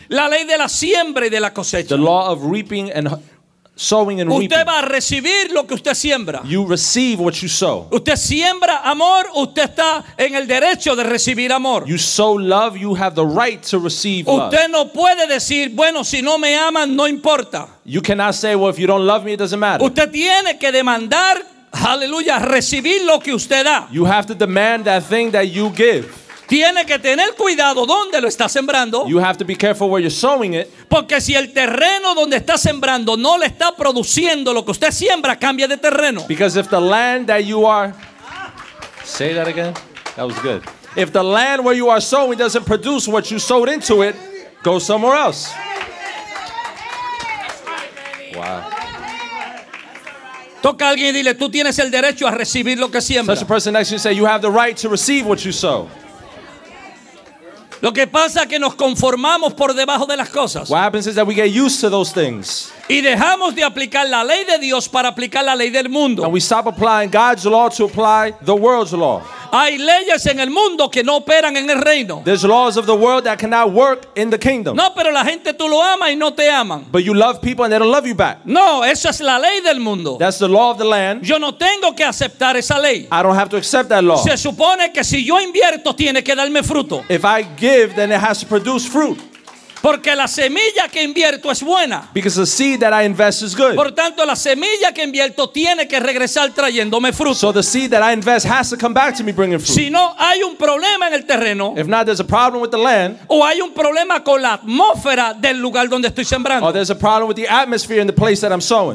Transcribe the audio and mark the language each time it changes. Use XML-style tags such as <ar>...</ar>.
<es>La ley de la siembra y de la cosecha.</es> <en>The law of reaping and sowing and</en> <es>usted</es> <en>reaping.</en> <es>Va a recibir lo que usted siembra.</es> <en>You receive what you sow.</en> <es>Usted siembra amor, usted está en el derecho de recibir amor.</es> <en>You sow love, you have the right to receive</en> <es>usted</es> <en>love.</en> <es>Usted no puede decir, bueno, si no me aman, no importa.</es> <en>You cannot say, well, if you don't love me, it doesn't matter.</en> <es>Usted tiene que demandar, hallelujah, recibir lo que usted da.</es> <en>You have to demand that thing that you give.</en> <es>Tiene que tener cuidado donde lo está sembrando.</es> <en>You have to be careful where you're sowing it.</en> <es>Porque si el terreno donde está sembrando no le está produciendo lo que usted siembra, cambia de terreno.</es> <en>Because if the land that you are... Say that again. That was good. If the land where you are sowing doesn't produce what you sowed into it, go somewhere else. Wow.</en> <es>Toca a alguien y dile, tú tienes el derecho a recibir lo que siembra.</es> <en>Such a person next to you say, you have the right to receive what you sow.</en> <es>Lo que pasa es que nos conformamos por debajo de las cosas.</es> <en>What happens is that we get used to those things.</en> <es>Y dejamos de aplicar la ley de Dios para aplicar la ley del mundo.</es> <en>And we stop applying God's law to apply the world's law.</en> <es>Hay leyes en el mundo que no operan en el reino.</es> <en>There's laws of the world that cannot work in the kingdom.</en> <es>No, pero la gente tú lo amas y no te aman.</es> <en>But you love people and they don't love you back.</en> <es>No, esa es la ley del mundo.</es> <en>That's the law of the land.</en> <es>Yo no tengo que aceptar esa ley.</es> <en>I don't have to accept that law.</en> <es>Se supone que si yo invierto tiene que darme fruto.</es> <en>If I give, then it has to produce fruit.</en> <es>Porque la semilla que invierto es buena.</es> <en>Because the seed that I invest is good.</en> <es>Por tanto, la semilla que invierto tiene que regresar trayéndome fruto.</es> <en>So the seed that I invest has to come back to me bringing fruit.</en> <es>Si no, hay un problema en el terreno.</es> <en>If not, there's a problem with the land.</en> <es>O hay un problema con la atmósfera del lugar donde estoy sembrando.</es> <en>Or there's a problem with the atmosphere in the place that I'm sowing.</en>